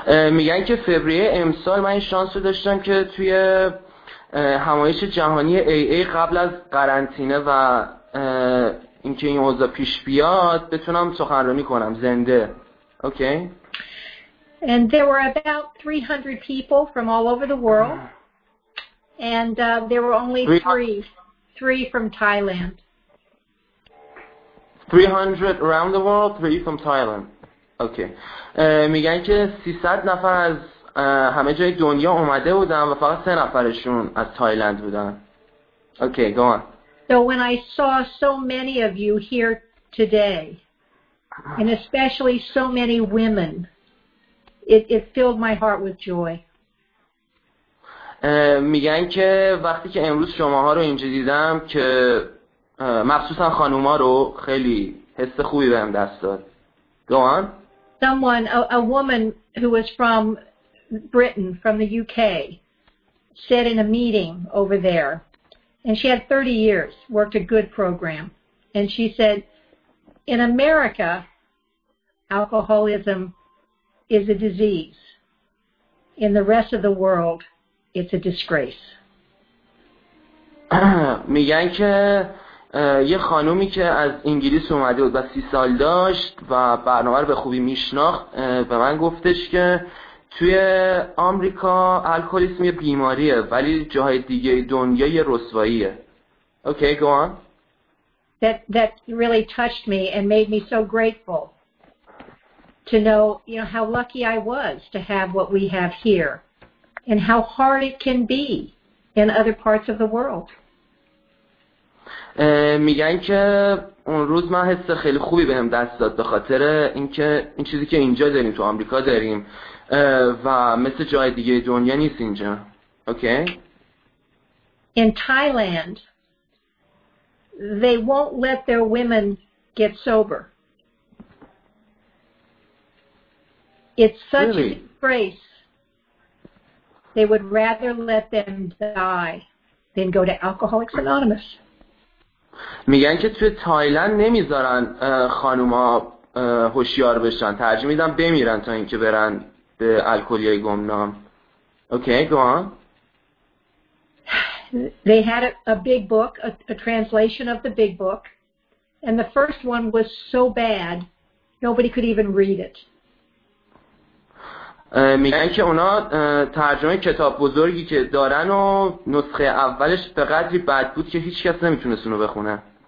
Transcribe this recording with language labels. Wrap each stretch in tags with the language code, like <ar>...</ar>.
<fa>میگن که فوریه امسال من شانس رو داشتم که توی همایش جهانی AA قبل از قرنطینه و اینکه این اوضاع پیش بیاد بتونم سخنرانی کنم زنده.</fa> <en>Okay. And there were about 300 people from all over the world, and there were only three from Thailand. 300 around the world, 3 from Thailand. Okay.</en> <fa>میگن که 300 نفر از همه جای دنیا اومده بودن و فقط 3 نفرشون از تایلند بودن.</fa> <en>Okay, go on. So when I saw so many of you here today, and especially so many women, It filled my heart with joy.</en> <fa>میگن که وقتی که امروز شماها رو اینجا دیدم که مخصوصا خانوما رو خیلی حس خوبی بهم دست داد.</fa> <en>Go on. Someone, a woman who was from Britain, from the UK, said in a meeting over there, and she had 30 years, worked a good program, and she said, in America, alcoholism is a disease. In the rest of the world, it's a disgrace.</en> <fa>میگن که یه خانومی که از انگلیس اومده بود و 30 سال داشت و برنامه رو به خوبی میشناخت به من گفتش که توی آمریکا الکلیسم یه بیماریه ولی جاهای دیگه دنیا یه رسواییه.</fa> <en>Okay, go on. That really touched me and made me so grateful to know, you know, how lucky I was to have what we have here and how hard it can be in other parts of the world.</en> <fa>میگن که اون روز من حس خیلی خوبی بهم دست داد به خاطر اینکه این چیزی که اینجا داریم تو آمریکا داریم و مثل جای دیگه دنیا نیست اینجا.</fa> <en>Okay. In Thailand they won't let their women get sober. It's such really? A disgrace. They would rather let them die than go to Alcoholics Anonymous.</en> <fa>میگن که توی تایلند نمیذارن خانوما هوشیار بشن، ترجیح میدن بمیرن تا اینکه برن به الکلی گمنام.</fa> <en>Okay, go on. They had a big book, a translation of the big book, and the first one was so bad nobody could even read it.</en> <fa>میگن که اونا ترجمه کتاب بزرگی که دارن و نسخه اولش به قدری بد بود که هیچ کس نمیتونست اونو بخونه.</fa>